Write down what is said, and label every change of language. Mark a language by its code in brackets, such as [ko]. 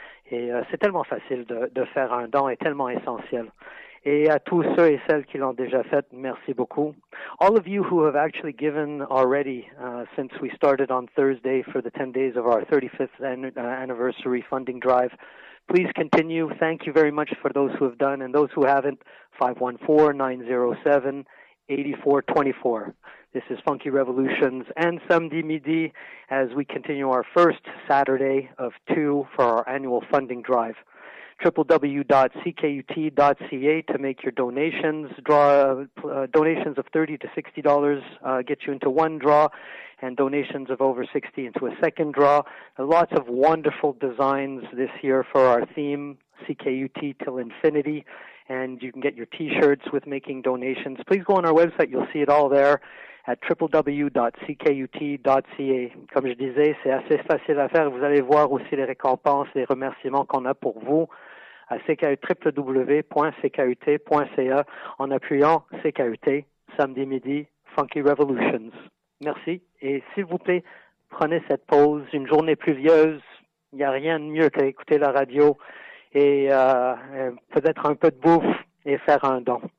[fr] Et c'est tellement facile de faire un don et tellement essentiel. Et à tous ceux et celles qui l'ont déjà fait, merci beaucoup. [en] All of you who have actually given already since we started on Thursday for the 10 days of our 35th anniversary funding drive, please continue. Thank you very much for those who have done and those who haven't. 514-907-8424. This is Funky Revolutions and Samedi Midi as we continue our first Saturday of 2 for our annual funding drive. www.ckut.ca to make your donations. Donations of $30 to $60 get you into one draw, and donations of over $60 into a second draw. Lots of wonderful designs this year for our theme, CKUT till infinity. And you can get your T-shirts with making donations. Please go on our website. You'll see it all there at www.ckut.ca. [fr] Comme je disais, c'est assez facile à faire. Vous allez voir aussi les récompenses, les remerciements qu'on a pour vous à www.ckut.ca en appuyant CKUT, samedi midi, Funky Revolutions. Merci. Et s'il vous plaît, prenez cette pause. Une journée pluvieuse, il n'y a rien de mieux qu'écouter la radio et peut-être un peu de bouffe et faire un don.